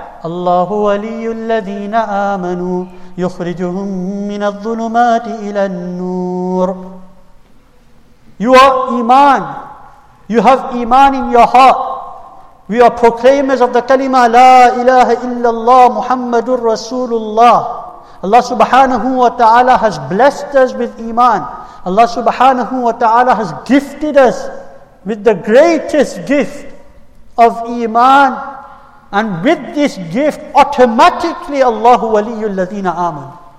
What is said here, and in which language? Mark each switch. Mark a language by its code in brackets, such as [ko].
[ar] الله ولي الذين آمنوا يخرجهم من الظلمات إلى النور. [en] You are iman. You have iman in your heart. We are proclaimers of the kalima [ar] لا إله إلا الله محمد رسول الله. [en] Allah subhanahu wa ta'ala has blessed us with iman. Allah subhanahu wa ta'ala has gifted us with the greatest gift of iman. And with this gift, automatically Allahu waliyu alladhina aman.